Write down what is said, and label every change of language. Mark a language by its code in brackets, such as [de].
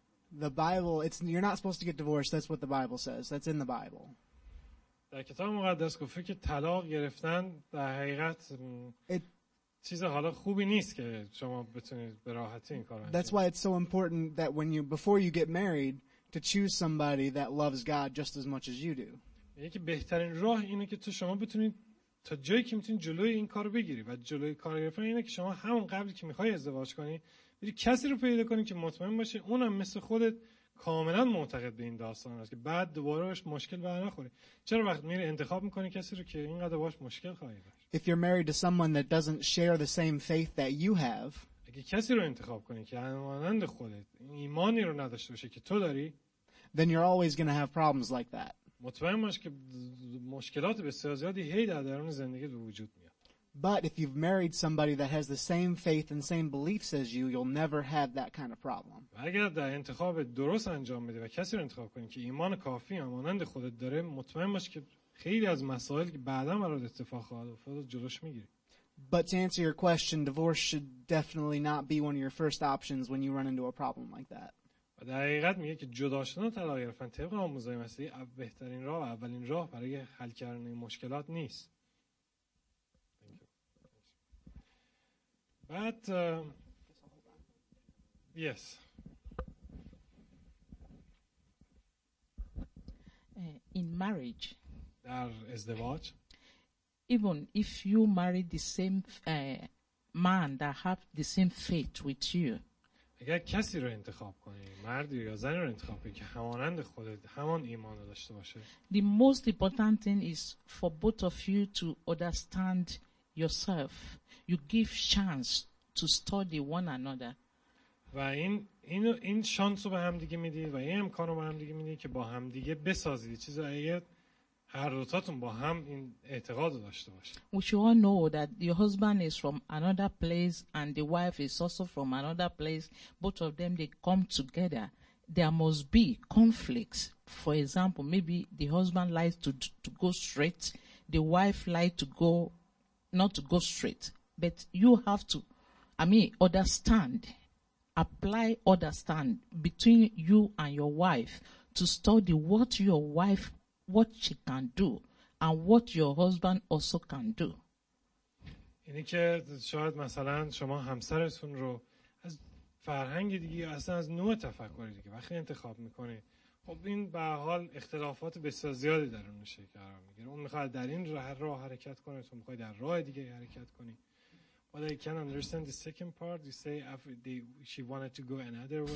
[en] The Bible, it's you're not supposed to get divorced. That's what the Bible says. That's in the Bible. [fa] در کتاب مقدس گفته که طلاق گرفتن در حقیقت چیز حالا خوبی نیست که شما بتونید به راحتی این کارو انجام. [en] That's why it's so important that when you before you get married to choose somebody that loves God just as much as you do. [fa] یکی بهترین راه اینه که تو شما بتونید تا جایی که میتونید جلوی این کارو بگیری و جلوی کار گرفتن اینه که شما همون قبلی که میخوای ازدواج کنی بری کسی رو پیدا کنی که مطمئن باشه اونم مثل خودت کاملا معتقد به این داستان است که بعد دوباره بهش مشکل بر نخوری. چرا وقت میری انتخاب میکنی کسی رو که اینقدر باهاش مشکل خواهی داشت؟ [en] If you're married to someone that doesn't share the same faith that you have. [fa] اگه کسی رو انتخاب کنی که همانند خودت ایمانی رو نداشته باشه که تو داری، [en] then you're always going to have problems like that. [fa] مطمئن باش که مشکلات بسیار زیادی هی در درون زندگیت وجود میاد. [en] But if you've married somebody that has the same faith and same beliefs as you, you'll never have that kind of problem. [fa] اگر در انتخاب درست انجام بدی و کسی رو انتخاب کنی که ایمان کافی همانند خودت داره، مطمئن باش که خیلی از مسائل که بعداً برات اتفاق خواهد افتاد جلوش میگیری. [en] But to answer your question, divorce should definitely not be one of your first options when you run into a problem like that. [fa] و در حقیقت میگه که جدا شدن و طلاق گرفتن طبق آموزهای مسیحی بهترین راه و اولین راه برای حل کردن مشکلات نیست. [en] But yes. In marriage. [fa] در ازدواج. [en] Even if you marry the same man that have the same faith with you. [fa] اگر کسی رو انتخاب کنی، مرد یا زن رو انتخاب کنی که همانند خودت همان ایمان رو داشته باشه. [en] The most important thing is for both of you to understand yourself. You give chance to study one another. [fa] و این شانس رو به هم دیگه میدی و این امکان رو به هم دیگه میدی که با هم دیگه بسازید چیزایی هر دو تاتون با هم این اعتقاد رو داشته باشید. [en] Which you all know that your husband is from another place and the wife is also from another place. Both of them they come together. There must be conflicts. For example, maybe the husband likes to go straight, the wife likes to go not to go straight. But you have to, understand, apply understand between you and your wife to study what your wife, what she can do, and what your husband also can do. [fa] اینی که شاید مثلا شما همسرتون رو از فرهنگ دیگه اصلا از نوع تفکر دیگه وقتی انتخاب میکنه، خب این به هر حال اختلافات بسیار زیادی در اون میشه که قرار میگیره. اون میخواد در این راه حرکت کنه، تو میخوای در راه دیگه حرکت کنی. [en] But I can understand the second part. You say she wanted to go another way.